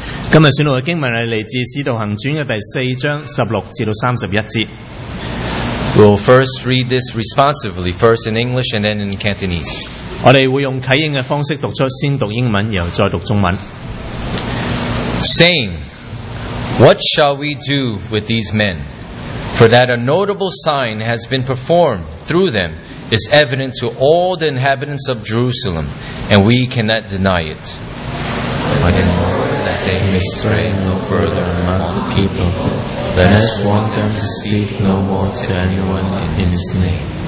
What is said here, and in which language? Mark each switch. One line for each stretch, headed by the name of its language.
Chinese: 今日经文来自《使徒行传》的第四章十六至到三十一节。
English: We'll first read this responsively, first in English and then in Cantonese.
Chinese: 我们会用启应的方式读出，先读英文，然后再读中文。
English: Saying, "What shall we do with these men? For that a notable sign has been performed through them." Is evident to all the inhabitants of Jerusalem, and we cannot deny it. But in order that they may stray no further among the people, let us warn them to speak no more to anyone in his name.